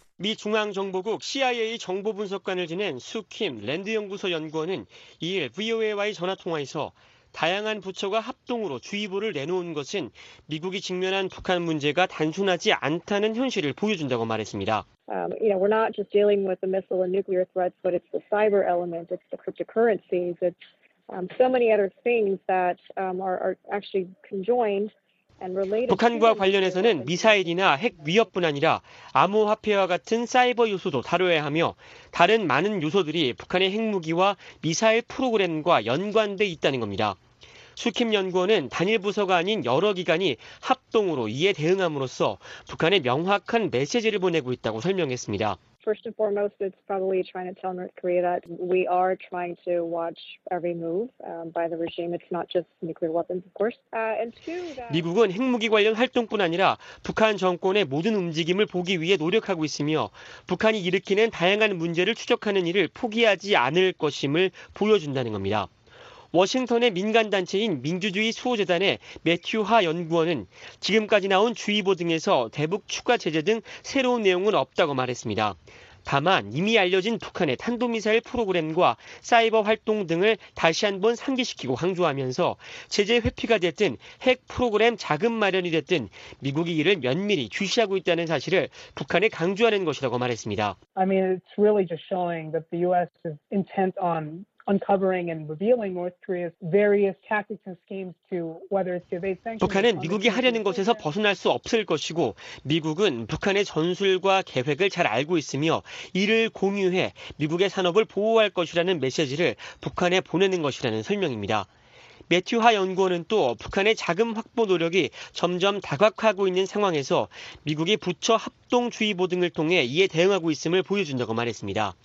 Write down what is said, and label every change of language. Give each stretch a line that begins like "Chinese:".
Korean: 미 중앙정보국 CIA 정보분석관을 지낸 수킴 랜드연구소 연구원은 2일 VOA와의 전화통화에서 다양한 부처가 합동으로 주의보를 내놓은 것은 미국이 직면한 북한 문제가 단순하지 않다는 현실을 보여준다고 말했습니다.
English: You know, we're not just dealing with the missile and nuclear threats, but it's the cyber element, it's the cryptocurrencies, it's so many other things that are actually conjoined.
Korean: 북한과 관련해서는 미사일이나 핵 위협뿐 아니라 암호화폐와 같은 사이버 요소도 다뤄야 하며 다른 많은 요소들이 북한의 핵무기와 미사일 프로그램과 연관돼 있다는 겁니다. 수킴 연구원은 단일 부서가 아닌 여러 기관이 합동으로 이에 대응함으로써 북한에 명확한 메시지를 보내고 있다고 설명했습니다.
English: First and foremost, it's probably trying to tell North Korea that we are trying to watch every move by the regime. It's not just nuclear weapons, of course. And two,
Korean: 미국은 핵무기 관련 활동뿐 아니라 북한 정권의 모든 움직임을 보기 위해 노력하고 있으며 북한이 일으키는 다양한 문제를 추적하는 일을 포기하지 않을 것임을 보여준다는 겁니다. 워싱턴의 민간단체인 민주주의 수호재단의 매튜 하 연구원은 지금까지 나온 주의보 등에서 대북 추가 제재 등 새로운 내용은 없다고 말했습니다. 다만 이미 알려진 북한의 탄도미사일 프로그램과 사이버 활동 등을 다시 한번 상기시키고 강조하면서 제재 회피가 됐든 핵 프로그램 자금 마련이 됐든 미국이 이를 면밀히 주시하고 있다는 사실을 북한에 강조하는 것이라고 말했습니다.
English: I mean, it's really just showing that the U.S. is intent on uncovering and revealing North Korea's various tactics and schemes to whether it's evade sanctions.
Korean: 북한은 미국이 하려는 것에서 벗어날 수 없을 것이고 미국은 북한의 전술과 계획을 잘 알고 있으며 이를 공유해 미국의 산업을 보호할 것이라는 메시지를 북한에 보내는 것이라는 설명입니다. 매튜 하 연구원은 또 북한의 자금 확보 노력이 점점 다각화하고 있는 상황에서 미국이 부처 합동주의보 등을 통해 이에 대응하고 있음을 보여준다고 말했습니다.